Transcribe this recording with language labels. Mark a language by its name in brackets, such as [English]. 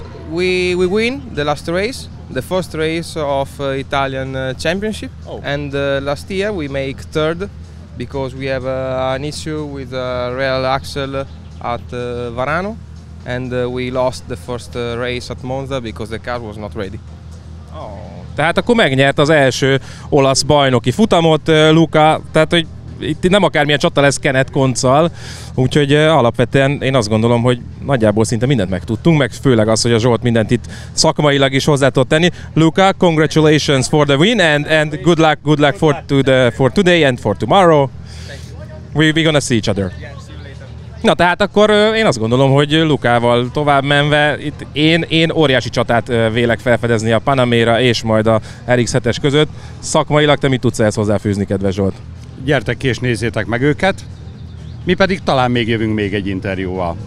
[English] We win the last race, the first race of Italian championship. Oh. And last year we make third because we have an issue with the rear axle at Varano. And we lost the first race at Monza because the car was not ready. Oh. [Hungarian] Tehát akkor megnyert az első olasz bajnoki futamot, Luca. Tehát, hogy itt nem akármilyen csata lesz Kenneth Conccal. Úgyhogy alapvetően én azt gondolom, hogy nagyjából szinte mindent megtudtunk, meg főleg az, hogy a Zsolt mindent itt szakmailag is hozzá tud tenni. [English] Luca, congratulations for the win and good luck for today and for tomorrow. We're gonna see each other. [Hungarian] Na tehát akkor én azt gondolom, hogy Lukával tovább menve itt én óriási csatát vélek felfedezni a Panamera és majd a RX7-es között. Szakmailag te mit tudsz ezt hozzáfűzni, kedves Zsolt? Gyertek ki és nézzétek meg őket. Mi pedig talán még jövünk még egy interjúval.